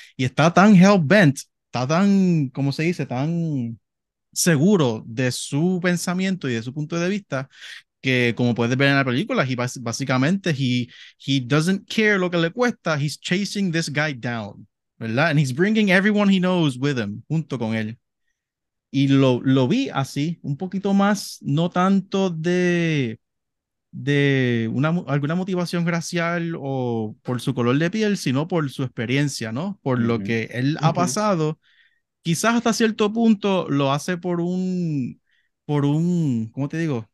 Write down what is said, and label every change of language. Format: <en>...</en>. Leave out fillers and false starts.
<es>Y está tan</es> <en>hell-bent,</en> <es>está tan, ¿cómo se dice?, tan seguro de su pensamiento y de su punto de vista, que como puedes ver en la película, básicamente,</es> <en>he doesn't care</en> <es>lo que le cuesta,</es> <en>he's chasing this guy down,</en> <es>¿verdad?</es> <en>And he's bringing everyone he knows with him,</en> <es>junto con él. Y lo vi así, un poquito más, no tanto de una, alguna motivación racial o por su color de piel, sino por su experiencia, ¿no? Por lo que él ha pasado. Quizás hasta cierto punto lo hace por un, ¿cómo te digo?</es>